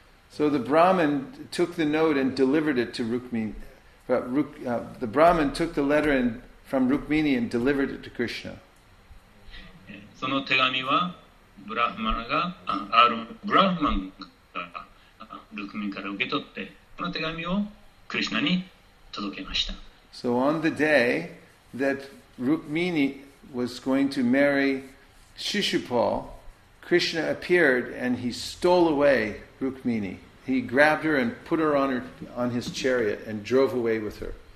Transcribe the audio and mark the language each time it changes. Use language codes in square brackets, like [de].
[en] So the Brahmin took the note and delivered it to Rukmini. The Brahmin took the letter and, from Rukmini and delivered it to Krishna. [ja] その手紙はブラフマンが、あ、ある、ブラフマンがルクミから受け取って、この手紙をクリスナに届けました。 [en] So on the day that Rukmini was going to marry Shishupal, Krishna appeared and he stole away Rukmini. He grabbed her and put her on, her on his chariot and drove away with her.